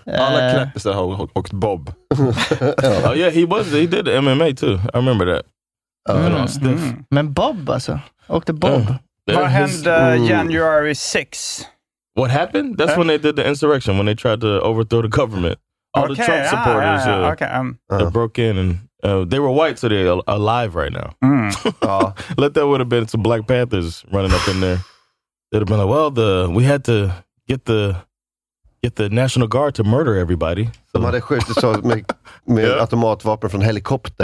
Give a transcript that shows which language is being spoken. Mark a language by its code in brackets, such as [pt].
[sv] Alla kläppisar har åkt bob. [en] Oh yeah, he did MMA too. I remember that. [sv] Men bob alltså. Åkte bob. Vad hände January 6th? [en] What happened? That's when they did the insurrection, when they tried to overthrow the government. All the Trump supporters. They broke in and they were white, so they're alive right now. Let that would have been some Black Panthers running up in there. They'd have been like, well, we had to get the National Guard to murder everybody. [sv] De hade skjutit så med automatvapen från helikopter.